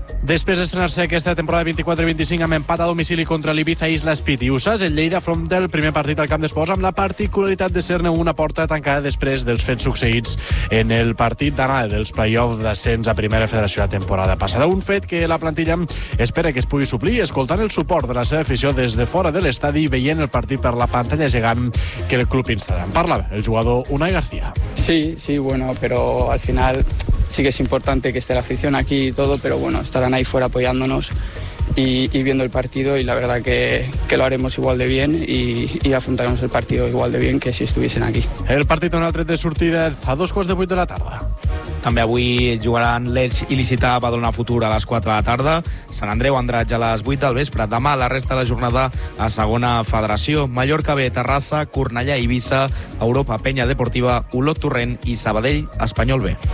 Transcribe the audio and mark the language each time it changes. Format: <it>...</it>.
<ca>Després d'estrenar-se aquesta temporada 24-25 amb empat a domicili contra l'Ibiza Islas Pitiusas, el Lleida afronta el primer partit al camp d'esports amb la particularitat de ser-ne una porta tancada després dels fets succeïts en el partit d'anada dels play-offs d'ascens a primera federació la temporada passada. Un fet que la plantilla espera que es pugui suplir, escoltant el suport de la seva afició des de fora de l'estadi i veient el partit per la pantalla gegant que el club instal·la. En parla el jugador Unai García.</ca> <es>Sí, sí, bueno, però al final sí que es importante que esté la afición aquí y todo, pero bueno, estarán ahí fuera apoyándonos y viendo el partido y la verdad que lo haremos igual de bien y afrontaremos el partido igual de bien que si estuviesen aquí.</es> <ca>El partit d'un altre de sortida a 7:45 de la tarda. També avui jugaran l'Elche i l'Illicita a Badalona Futur a les 4 de la tarda, Sant Andreu Andratx a les 8 del vespre, demà la resta de la jornada a segona federació, Mallorca B, Terrassa, Cornellà, Eivissa, Europa, Penya Deportiva, Olot Torrent i Sabadell, Espanyol B.</ca>